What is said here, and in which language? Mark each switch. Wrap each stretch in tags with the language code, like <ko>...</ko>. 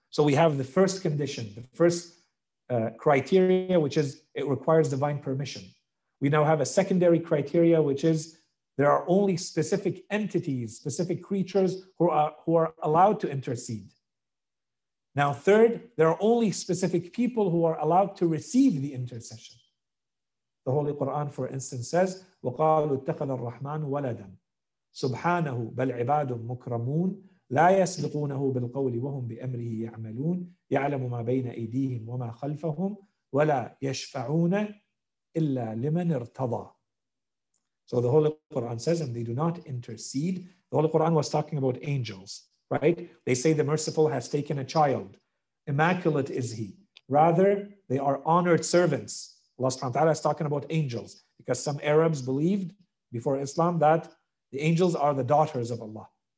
<en>So we have the first condition, the first criteria, which is it requires divine permission. We now have a secondary criteria, which is there are only specific entities, specific creatures who are allowed to intercede. Now, third, there are only specific people who are allowed to receive the intercession. The Holy Quran, for instance, says,</en> <ar>وَقَالُوا اتَّخَذَ الرَّحْمَنُ وَلَدًا سُبْحَانَهُ بَلْ عِبَادٌ مُكْرَمُونَ لَا يَسْبِقُونَهُ بِالْقَوْلِ وَهُمْ بِأَمْرِهِ يَعْمَلُونَ يَعْلَمُ مَا بَيْنَ أَيْدِيهِمْ وَمَا خَلْفَهُمْ وَلَا يَشْفَعُونَ إِلَّا لِمَنِ ارْتَضَى.</ar> <en>So the Holy Quran says, and they do not intercede. The Holy Quran was talking about angels, right? They say the merciful has taken a child. Immaculate is he. Rather, they are honored servants. Allah subhanahu wa ta'ala is talking about angels because some Arabs believed before Islam that the angels are the daughters of Allah.</en>